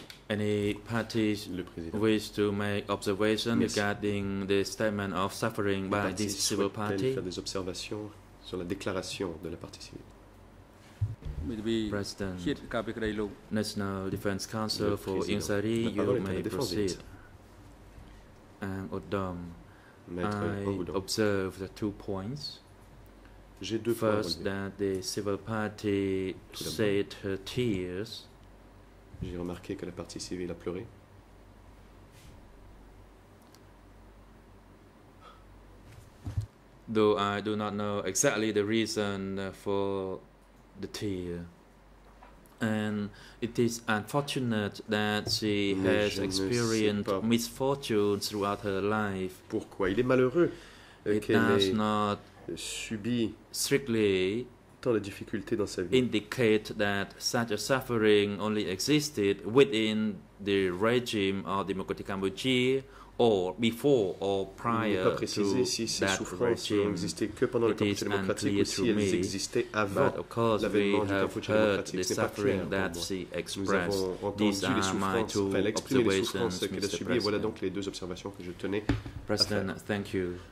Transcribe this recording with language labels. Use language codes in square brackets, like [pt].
[en] Any parties wish to make observations regarding the statement of suffering by this civil party? [fr] Faire des observations sur la déclaration de la partie civile. [en] President, National Defense Council for Insari, you may proceed. Oddam, I observe the 2 points. First, that the civil party shed her tears. [fr] J'ai remarqué que la partie civile a pleuré. [en] Though I do not know exactly the reason for the tear. And it is unfortunate that she has experienced misfortune throughout her life. [fr] Pourquoi il est malheureux qu'elle ait subi [en] strictly [fr] tant de difficultés dans sa vie. [en] Indicate that such a suffering only existed within the regime of Democratic Cambodia or before or prior to that regime. [fr] Il n'est pas précisé si ces souffrances ont existé que pendant le Cambodge démocratique ou si elles existaient avant l'avènement du Cambodge démocratique. Ce n'est pas clair pour moi. Nous avons entendu les souffrances qu'elle a subies. Voilà donc les deux observations que je tenais [en] President, [fr] à faire. [en] Thank you.